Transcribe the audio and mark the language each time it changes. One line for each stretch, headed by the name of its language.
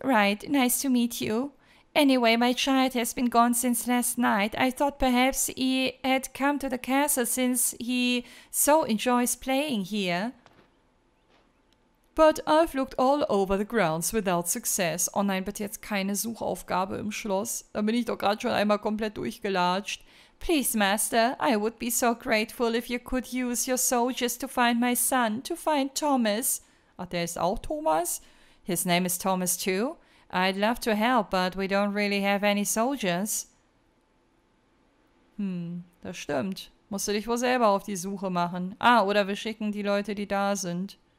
English: Right, nice to meet you. Anyway, my child has been gone since last night. I thought perhaps he had come to the castle since he so enjoys playing here. But I've looked all over the grounds without success.
German: Oh nein, bitte jetzt keine Suchaufgabe im Schloss. Da bin ich doch gerade schon einmal komplett durchgelatscht.
English: Please, Master, I would be so grateful if you could use your soldiers to find my son, to find Thomas.
German: Ach, der ist auch Thomas?
English: His name is Thomas too. I'd love to help, but we don't really have any soldiers.
German: Hm, das stimmt. Musst du dich wohl selber auf die Suche machen. Ah, oder wir schicken die Leute, die da sind.